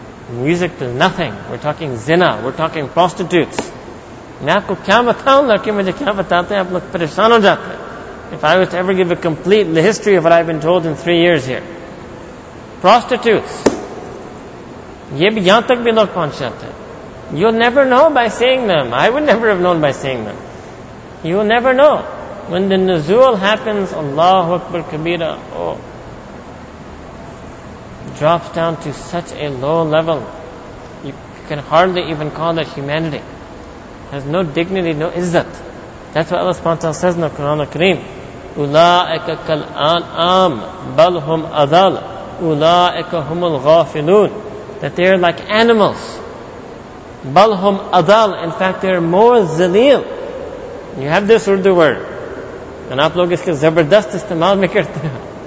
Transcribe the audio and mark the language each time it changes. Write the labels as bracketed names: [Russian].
[English] Music does nothing. We're talking zina, we're talking prostitutes. [Urdu] میں آپ کو کیا بتاؤں لڑکے مجھے کیا بتاتے ہیں آپ لوگ پریشان ہو جاتے ہیں [English] If I was to ever give a complete the history of what I've been told in 3 years here. Prostitutes. [Urdu] یہ بھی یہاں تک بھی لوگ پہنچ جاتے ہیں [English] You'll never know by seeing them. I would never have known by seeing them. You'll never know. When the nuzul happens, Allahu Akbar Kabira, oh, drops down to such a low level. You can hardly even call it humanity. It has no dignity, no izzat. That's what Allah subhanahu wa ta'ala says in the Quran al-Kareem. [Arabic] أُولَٰئِكَ كَالْأَنْعَامِ بَلْ هُمْ أَضَلُّ أُولَٰئِكَ هُمُ الْغَافِلُونَ [English] That they are like animals. [Arabic] بَلْ هُمْ أَضَلُّ [English] In fact, they are more zaleel. You have this Urdu word. [Urdu] And آپ لوگ اسکے زبردست استعمال میں کرتے ہیں.